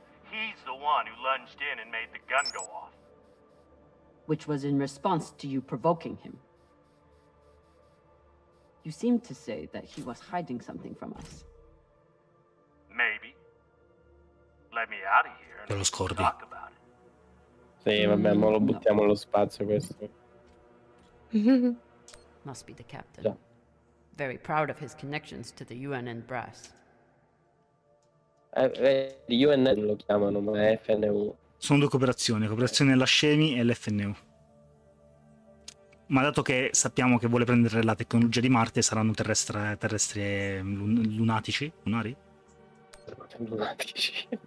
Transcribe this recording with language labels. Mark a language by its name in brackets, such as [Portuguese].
[English] He's the one who lunged in and made the gun go off. Which was in response to you provoking him. You seem to say that he was hiding something from us. Maybe. Let me out of here and talk about it. [Italian] Sì, vabbè, ma lo buttiamo nello spazio questo. [English] Must be the captain. [Italian] Già. [English] Very proud of his connections to the UN and brass. [Italian] The UN lo chiamano, ma è FNU. Sono due cooperazioni, cooperazione la Scemi e l'FNU. Ma dato che sappiamo che vuole prendere la tecnologia di Marte, saranno terrestri lunatici, lunari? Lunatici.